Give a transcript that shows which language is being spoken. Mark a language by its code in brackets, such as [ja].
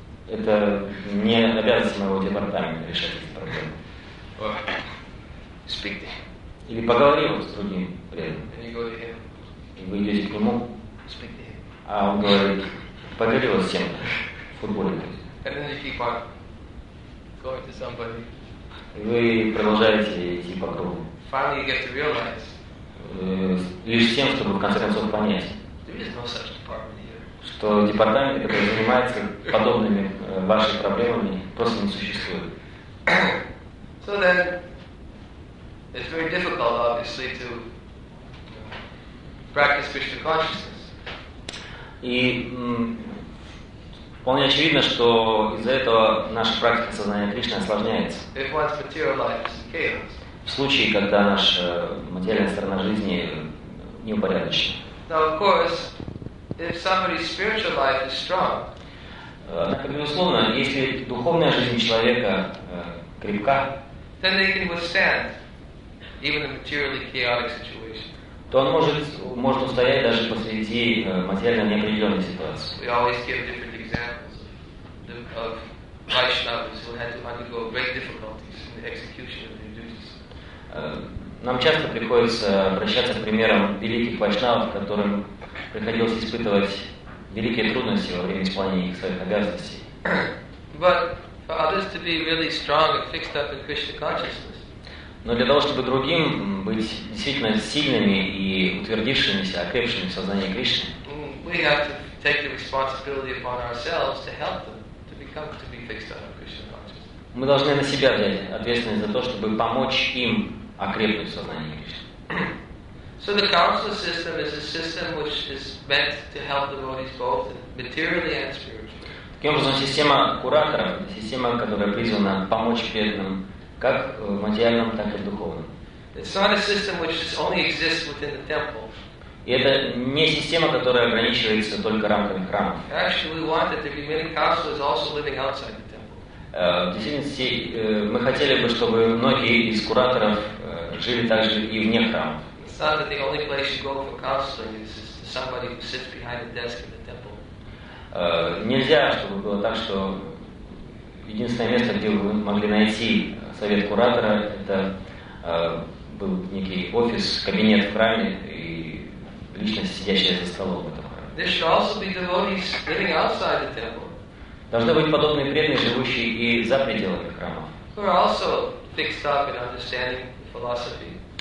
[ru] Это не обязанность моего департамента решать эти проблемы. [en] Speak to him. [ru] Или поговорим с другим преданным. [en] And you go to him. [ru] И вы идете к нему. [en] Speak to him. [ru] А он говорит: «Поговорил с тем футболистом». [en] And then you keep on going to somebody. [ru] И вы продолжаете идти по кругу. [en] Finally you get to realize. [ru] Лишь тем, чтобы в конце концов понять, [en] there is no such department here. [ru] Что департамент, который занимается подобными вашими проблемами, просто не существует. [en] So then, it's very difficult, obviously, to practice Krishna consciousness. [ru] И вполне очевидно, что из-за этого наша практика сознания Кришны осложняется. [en] If one's material life is chaos. [ru] В случае, когда наша материальная сторона жизни неупорядочена. [en] Now, of course, if somebody's spiritual life is strong, [ru] безусловно, если духовная жизнь человека крепка, [en] then they can withstand even a materially chaotic situation. [ru] То он может устоять даже посреди материально неопределенной ситуации. [en] We always give different examples of Vaishnavas who had to undergo great difficulties. and execution of their duties. [ru] Нам часто приходится обращаться к примерам великих вайшнавов, которым приходилось испытывать великие трудности во время исполнения их своих обязанностей. [en] But for others to be really strong and fixed up in Krishna consciousness. [ru] Но для того, чтобы другим быть действительно сильными и утвердившимися, окрепшими в сознании Кришны, [en] we have to take the responsibility upon ourselves to help them to become to be fixed up in Krishna consciousness. [ru] Мы должны на себя взять ответственность за то, чтобы помочь им окрепнуть в сознании Кришны. [en] So the council system is a system which is meant to help devotees both materially and spiritually. [ru] Таким образом, система кураторов, система, которая призвана помочь преданным как в материальном, так и в духовном. [en] It's not a system which only exists within the temple. [ru] И это не система, которая ограничивается только рамками храмов. [en] Actually, we want that there be many counselors also living outside the temple. [ru] Мы хотели бы, чтобы многие из кураторов жили также и вне храмов. [en] It's not that the only place you go for counseling is somebody who sits behind a desk in the temple. [ru] Нельзя, чтобы было так, что единственное место, где вы могли найти совет куратора, это был некий офис, кабинет в храме и личность, сидящая за столом в этом храме. [en] There should also be devotees living outside the temple. [ru] Должны быть подобные преданные, живущие и за пределами храмов. [en] Who are also fixed up in understanding philosophy.